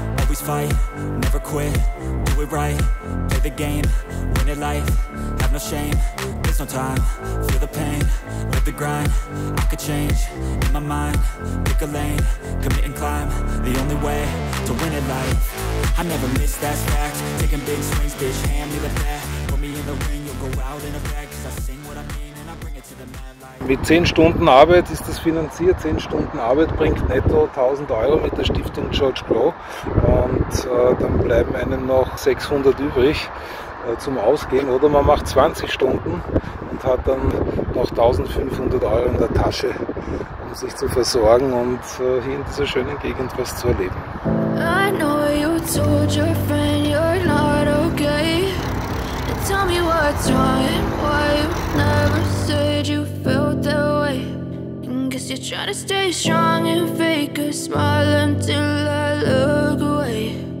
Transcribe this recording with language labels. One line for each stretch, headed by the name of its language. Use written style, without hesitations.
English: Never quit, do it right, play the game, win it life, have no shame, there's no time, feel the pain, live the grind, I could change, in my mind, pick a lane, commit and climb, the only way, to win it life, I never miss that fact, taking big swings, bitch, hand me the bat, put me in the ring, you'll go out in a bag, cause I sing what I mean and I bring it to the mad light.
German: Mit 10 Stunden Arbeit ist das finanziert, 10 Stunden Arbeit bringt netto 1000 Euro mit der Stiftung George Blow. Und dann bleiben einem noch 600 übrig. zum Ausgehen. Oder man macht 20 Stunden und hat dann noch 1500 Euro in der Tasche, um sich zu versorgen und hier in dieser schönen Gegend was zu erleben.
English: I know you told your friend you're not okay. Tell me what's wrong and why you never said you felt that way. Guess you're trying to stay strong and fake a smile until I look away.